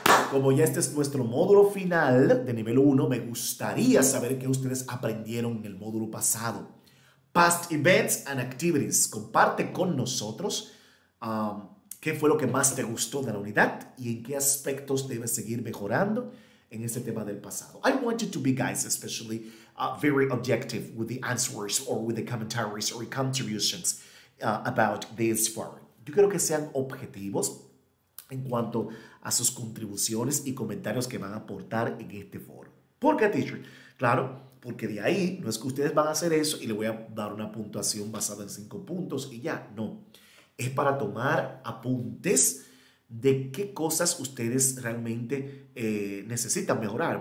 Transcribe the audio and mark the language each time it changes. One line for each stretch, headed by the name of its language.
Spanish: Como ya este es nuestro módulo final de nivel 1, me gustaría saber qué ustedes aprendieron en el módulo pasado.
English: Past events and activities.
Spanish: Comparte con nosotros qué fue lo que más te gustó de la unidad y en qué aspectos debes seguir mejorando en este tema del pasado.
English: I want you to be, guys, especially very objective with the answers or with the commentaries or contributions about this forum.
Spanish: Yo quiero que sean objetivos en cuanto a sus contribuciones y comentarios que van a aportar en este foro. ¿Por qué, teacher? Claro, porque de ahí no es que ustedes van a hacer eso y le voy a dar una puntuación basada en 5 puntos y ya. No, es para tomar apuntes de qué cosas ustedes realmente necesitan mejorar.